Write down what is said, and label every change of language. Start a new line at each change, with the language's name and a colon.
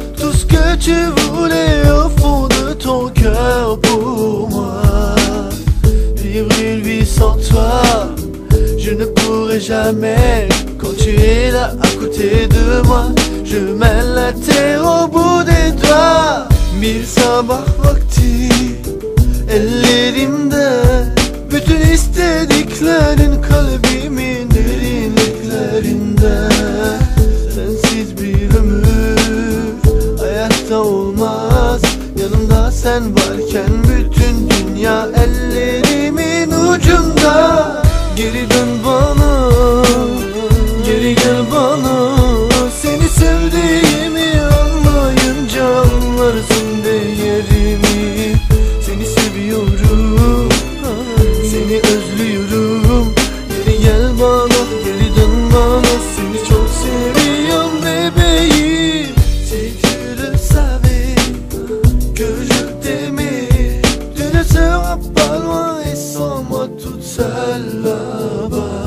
French: Tout ce que tu voulais au fond de ton cœur pour moi. Vivre une vie sans toi, je ne pourrai jamais. Quand tu es là à côté de moi, je mène la terre au bout des doigts.
Turkish: Mille sabah vakti, ellerimde. Bütün istediklerin kalbimin derinliklerinde. Sensiz bir ömür hayatta olmaz. Yanımda sen varken bütün dünya ellerimin ucunda. Geri dön bana, geri gel bana. Seni sevdiğimi anlayınca anlarsın değerimi. Seni seviyorum, seni özlüyorum. Geri gel bana, geri dön bana. Seni çok seviyorum bebeğim.
French: Si tu le savais que je t'aimais, tu ne seras pas loin et sans moi toute seule là.